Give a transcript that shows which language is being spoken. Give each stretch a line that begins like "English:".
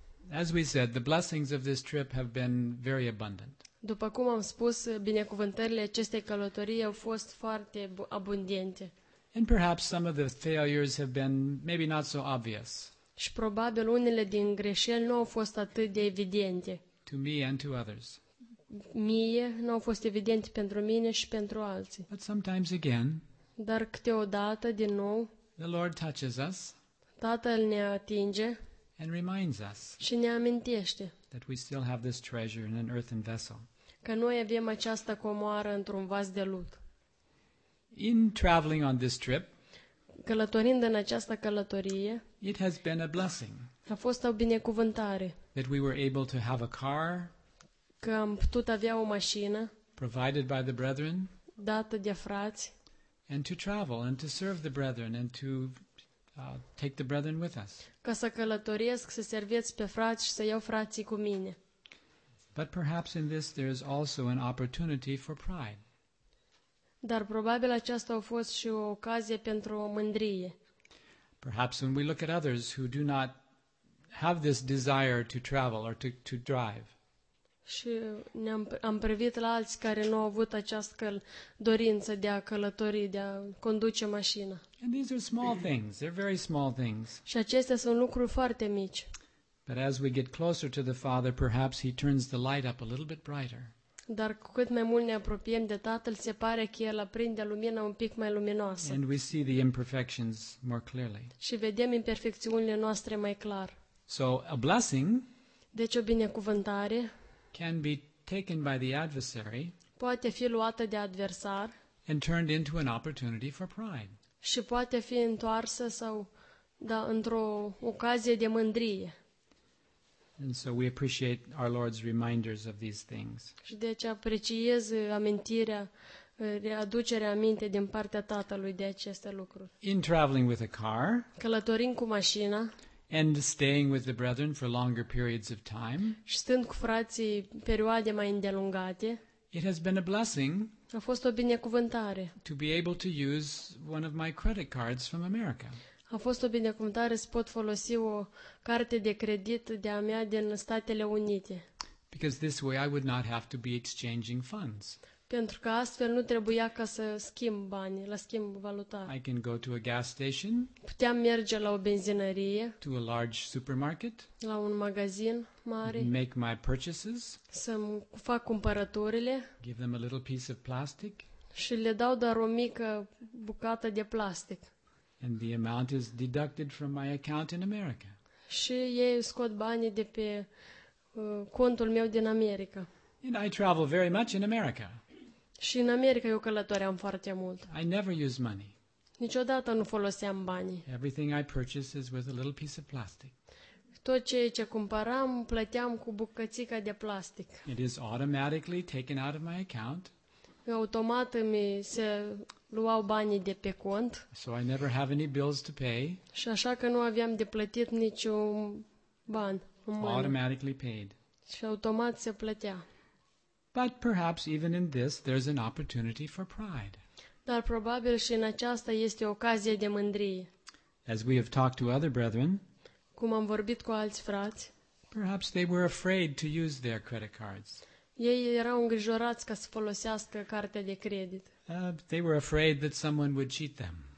English: As we said, the blessings of this trip have been very abundant.
Romanian: După cum am spus, binecuvântările acestei călătorii au fost foarte abundente.
English: And perhaps some of the failures have been maybe not so obvious.
Romanian: Și probabil unele din greșeli nu au fost atât de evidente.
English: To me and to others.
Romanian: Mie nu au fost evidente pentru mine și pentru alții.
English: But sometimes again.
Romanian: Dar câteodată din nou.
English: The Lord touches us.
Romanian: Tatăl ne atinge.
English: And reminds us.
Romanian: Și ne amintește.
English: That we still have this treasure in an earthen vessel.
Romanian: Că noi avem această comoară într-un vas de lut.
English: In traveling on this trip,
Romanian: călătorind în această călătorie,
English: it has been a blessing.
Romanian: A fost o binecuvântare.
English: That we were able to have a car.
Romanian: Că am putut avea o mașină.
English: Provided by the brethren.
Romanian: Dată de frați.
English: And to travel and to serve the brethren and to take the brethren with us.
Romanian: Ca să călătoresc, să serviți pe frați și să iau frații cu mine.
English: But perhaps in this there is also an opportunity for pride.
Romanian: Dar probabil aceasta a fost și o ocazie pentru o mândrie.
English: Perhaps when we look at others who do not have this desire to travel or to drive.
Romanian: Și am privit la alții care nu au avut această dorință de a călători, de a conduce mașina.
English: And these are small things. They're very small things.
Romanian: Și acestea sunt lucruri foarte mici.
English: But as we get closer to the Father, perhaps he turns the light up a little bit brighter.
Romanian: Dar cu cât mai mult ne apropiem de Tatăl, se pare că el aprinde lumina un pic mai luminoasă.
English: And we see the imperfections more clearly.
Romanian: Și vedem imperfecțiunile noastre mai clar.
English: So a blessing.
Romanian: Deci o binecuvântare.
English: Can be taken by the adversary.
Romanian: Poate fi luată de adversar.
English: And turned into an opportunity for pride.
Romanian: Și poate fi întoarsă sau da într-o ocazie de mândrie.
English: And so we appreciate our Lord's reminders of these things.
Romanian: Și deci apreciez amintirea, readucerea aminte din partea Tatălui de aceste lucruri.
English: In traveling with a car.
Romanian: Călătorind cu mașina.
English: And staying with the brethren for longer periods of time.
Romanian: Și stând cu frații perioade mai îndelungate.
English: It has been a blessing.
Romanian: A fost o binecuvântare.
English: To be able to use one of my credit cards from America.
Romanian: A fost o binecuvântare să pot folosi o carte de credit de a mea din Statele Unite.
English: Because this way I would not have to be exchanging funds.
Romanian: Pentru că astfel nu trebuia ca să schimb bani, la schimb valuta.
English: I can go to a gas station.
Romanian: Puteam merge la o benzinărie.
English: To a large supermarket.
Romanian: La un magazin mare.
English: Make my purchases.
Romanian: Să-mi fac cumpărăturile.
English: Give them a little piece of plastic.
Romanian: Și le dau doar o mică bucată de plastic.
English: And the amount is deducted from my account in America.
Romanian: Și ei scot banii de pe contul meu din America.
English: You know, I travel very much in America.
Romanian: Și în America eu călătoream foarte mult.
English: I never use money.
Romanian: Niciodată nu foloseam bani.
English: Everything I purchase is with a little piece of plastic.
Romanian: Tot ce cumpăram, plăteam cu bucățica de plastic.
English: It is automatically taken out of my account.
Romanian: Automat mi se luau banii de pe cont.
English: So I never have any bills to pay.
Romanian: Și așa că nu aveam de plătit niciun ban.
English: Automatically paid.
Romanian: Și automat se plătea.
English: But perhaps even in this there's an opportunity for pride.
Romanian: Dar probabil și în aceasta este ocazia de mândrie.
English: As we have talked to other brethren,
Romanian: cum am vorbit cu alți frați,
English: perhaps they were afraid to use their credit cards.
Romanian: Ei erau îngrijorați ca să folosească cartea de credit.
English: They were afraid that someone would cheat them.